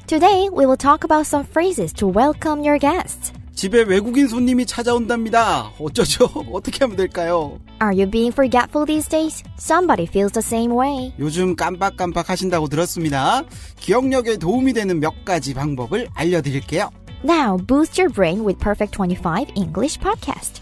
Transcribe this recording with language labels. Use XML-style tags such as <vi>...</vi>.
<en>Today we will talk about some phrases to welcome your guests.</en> <ko>집에 외국인 손님이 찾아온답니다. 어쩌죠? 어떻게 하면 될까요?</ko> <en>Are you being forgetful these days? Somebody feels the same way.</en> <ko>요즘 깜빡깜빡 하신다고 들었습니다. 기억력에 도움이 되는 몇 가지 방법을 알려드릴게요.</ko> <en>Now, boost your brain with Perfect 25 English Podcast.</en>